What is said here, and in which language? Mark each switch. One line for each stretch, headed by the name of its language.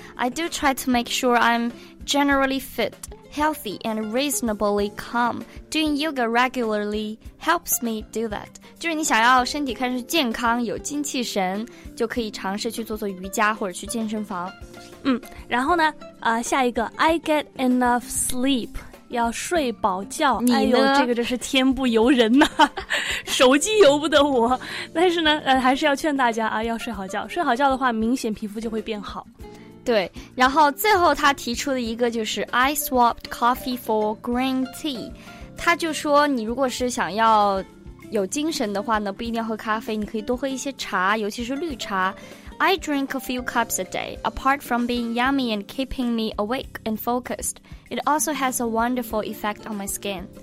English: I do try to make sure I'm generally fit, healthy and reasonably calm. Doing yoga regularly helps me do that.
Chinese: 就是你想要身体看上去健康有精气神，就可以尝试去做做瑜伽或者去健身房。然后呢，下一个
English: I get enough sleep，
Chinese: 要睡饱觉。你呢？哎呦，这个真是天不由人呐，手机由不得我。但是呢，还是要劝大家啊，要睡好觉。睡好觉的话，明显皮肤就会变好。对，然后最后他提出的一个就是
English: I swapped coffee for green tea。
Chinese: 他就说，你如果是想要有精神的话呢，不一定要喝咖啡，你可以多喝一些茶，尤其是绿茶。
English: I drink a few cups a day. Apart from being yummy and keeping me awake and focused, it also has a wonderful effect on my skin.